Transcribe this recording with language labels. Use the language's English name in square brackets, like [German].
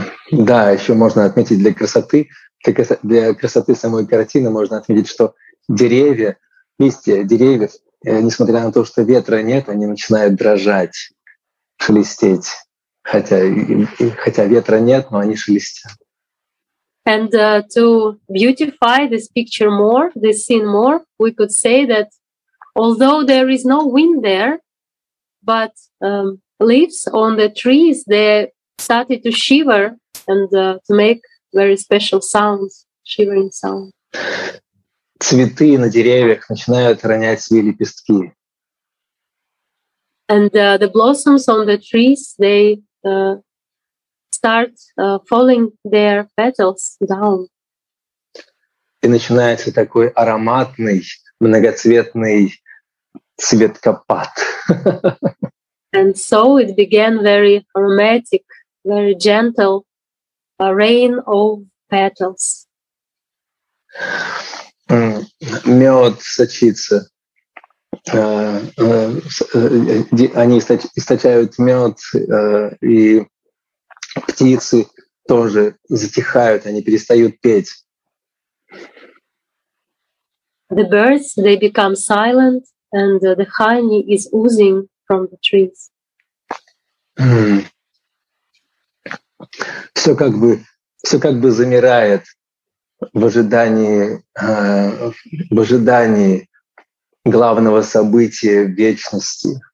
[Russian] Да, еще можно отметить для красоты самой картины, можно отметить, что деревья, листья деревьев, несмотря на то, что ветра нет, они начинают дрожать, шелестеть. Хотя ветра нет, но они шелестят. [English] And to beautify this picture more, this scene more, we could say that although there is no wind there, but leaves on the trees, they started to shiver and to make very special sounds, shivering sound. [Russian] Цветы на деревьях начинают ронять свои лепестки. [English] And the blossoms on the trees, they start falling their petals down. [Russian] И начинается такой ароматный, многоцветный цветкопад. [English] And so it began very aromatic, very gentle, a rain of petals. [Russian] Мёд сочится. Они источают мёд, и птицы тоже затихают, они перестают петь. [English] The birds, they become silent, and the honey is oozing from the trees. [Russian] Всё как бы замирает в ожидании главного события вечности.